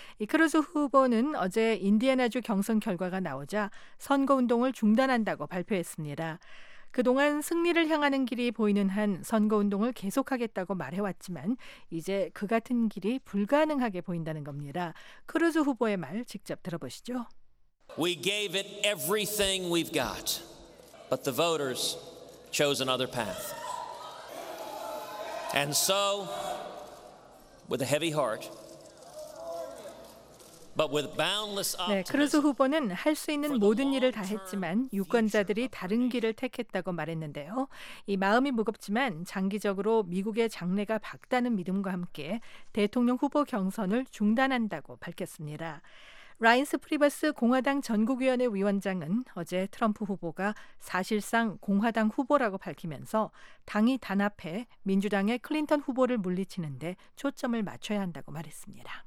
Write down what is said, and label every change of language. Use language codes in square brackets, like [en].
[ko] 이 크루즈 후보는 어제 인디애나주 경선 결과가 나오자 선거 운동을 중단한다고 발표했습니다. 그동안 승리를 향하는 길이 보이는 한 선거운동을 계속하겠다고 말해왔지만 이제 그 같은 길이 불가능하게 보인다는 겁니다. 크루즈 후보의 말 직접 들어보시죠. [en] We gave it everything we've got, but the voters chose another path. And so, with a heavy heart, but with boundless optimism. [ko] 네, 크루즈 후보는 할 수 있는 모든 일을 다 했지만 유권자들이 다른 길을 택했다고 말했는데요. 이 마음이 무겁지만 장기적으로 미국의 장래가 밝다는 믿음과 함께 대통령 후보 경선을 중단한다고 밝혔습니다. 라인스 프리버스 공화당 전국위원회 위원장은 어제 트럼프 후보가 사실상 공화당 후보라고 밝히면서 당이 단합해 민주당의 클린턴 후보를 물리치는데 초점을 맞춰야 한다고 말했습니다.